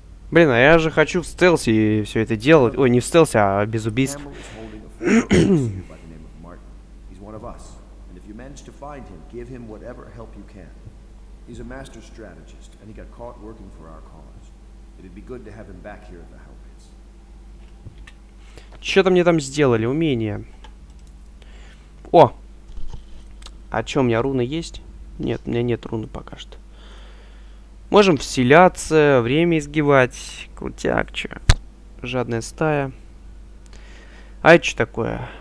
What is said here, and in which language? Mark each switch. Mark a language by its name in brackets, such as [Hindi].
[Russian] Блин, а я же хочу в стелсе все это делать. Ой, не в стелсе, а без убийств. [English] Campbell is holding a fortress by the name of Martin. He's one of us. Manage to find him, give him whatever help you can. He's a master strategist, and he got caught working for our cause. It'd be good to have him back here at the Hellpits. [Russian] Что-то мне там сделали, умение. О! А что, у меня руны есть? Нет, у меня нет руны пока что. Можем вселяться, время изгибать. Крутяк, чё. Жадная стая. А это что такое?